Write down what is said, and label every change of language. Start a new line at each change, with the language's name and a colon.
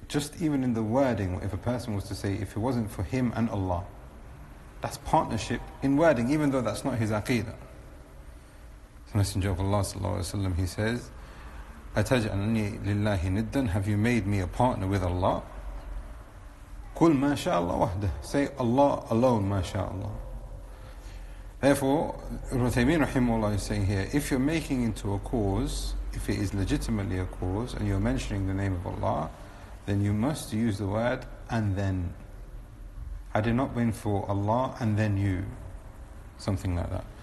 English: Just even in the wording, if a person was to say, if it wasn't for him and Allah, that's partnership in wording, even though that's not his aqeedah. The Messenger of Allah sallallahu alayhi wa sallam, he says,
Arabic: أَتَجْعَلْنِي لِلَّهِ نِدًّا,
English: have you made me a partner with Allah?
Arabic: قُلْ مَا شَاءَ اللَّهُ وَحْدَهُ,
English: say Allah alone,
Arabic: مَا شَاءَ اللَّهُ.
English: Therefore, Uthaymeen rahimahullah is saying here, if you're making into a cause, if it is legitimately a cause, and you're mentioning the name of Allah, then you must use the word, and then. Had it not been for Allah, and then you. Something like that.